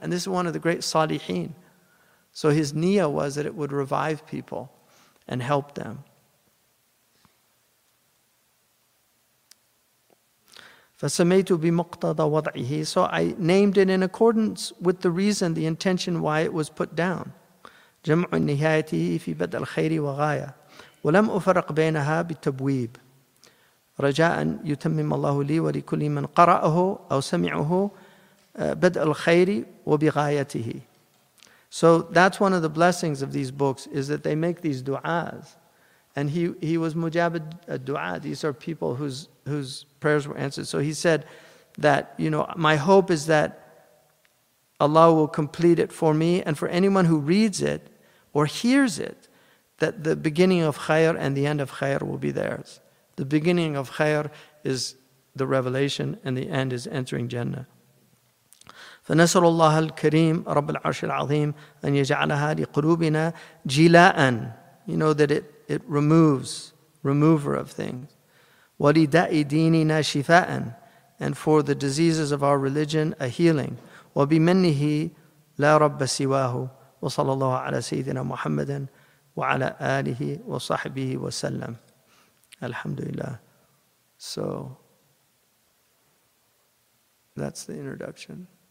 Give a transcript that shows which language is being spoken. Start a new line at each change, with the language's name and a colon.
English: And this is one of the great salihin. So his niyyah was that it would revive people and help them.
Arabic: فَسَمَيْتُ بِمُقْتَضَ وَضْعِهِ
English: So I named it in accordance with the reason, the intention why it was put down.
Arabic: جَمْعُ النِّهَايَتِهِ فِي بَدَ الْخَيْرِ وَغَايَةِ وَلَمْ أُفَرَقْ بَيْنَهَا بِالتَّبْوِيبِ رَجَاءً يُتَمِّمَ اللَّهُ لِي وَلِكُلِّ مَنْ قَرَأَهُ أَوْ سَمِعُهُ بَدْءَ الْخَيْرِ وَبِغَايَتِهِ
English: So that's one of the blessings of these books, is that they make these du'as. And he was mujabid du'a. These are people whose prayers were answered. So he said that, you know, my hope is that Allah will complete it for me and for anyone who reads it or hears it, that the beginning of khair and the end of khair will be theirs. The beginning of khair is the revelation, and the end is entering Jannah.
Arabic: فَنَسْرُ اللَّهَ الْكَرِيمُ رَبَّ الْعَرْشِ الْعَظِيمُ أَنْ يَجْعَلَهَا لِقُلُوبِنَا جِلَاءً
English: You know that it removes, remover of things.
Arabic: وَلِدَاءِ دِينِنَا شِفَاءً
English: And for the diseases of our religion, a healing.
Arabic: وَبِمَنِّهِ لَا رَبَّ سِوَاهُ وَصَلَى اللَّهُ عَلَى سَيِّدِنَا مُحَمَّدٍ وَعَلَىٰ آلِهِ وَصَحْبِهِ وَسَلَّمْ Alhamdulillah.
English: So, that's the introduction.